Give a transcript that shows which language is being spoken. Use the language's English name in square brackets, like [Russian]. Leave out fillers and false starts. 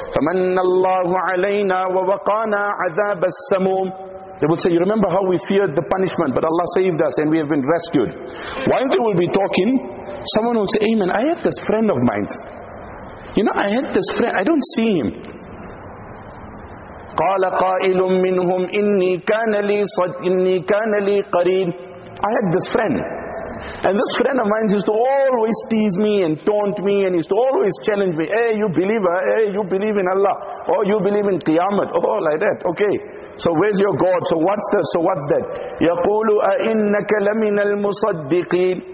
[Arabic] فَمَنَّ اللَّهُ عَلَيْنَا وَوَقَانَا عَذَابَ السَّمُومِ. [English] They will say, you remember how we feared the punishment, but Allah saved us and we have been rescued. While they will be talking, someone will say, amen, I had this friend of mine. You know, I had this friend, I don't see him. [Arabic] قَالَ قَائِلٌ مِّنْهُمْ إِنِّي كَانَ لِي قَرِينٌ. [English] I had this friend. And this friend of mine used to always tease me and taunt me, and used to always challenge me. Hey, you believer, hey, you believe in Allah, or you believe in Qiyamah, oh, like that. Okay, so where's your God? So what's this? So what's that? [Arabic] يَقُولُ أَإِنَّكَ لَمِنَ الْمُصَدِّقِينَ.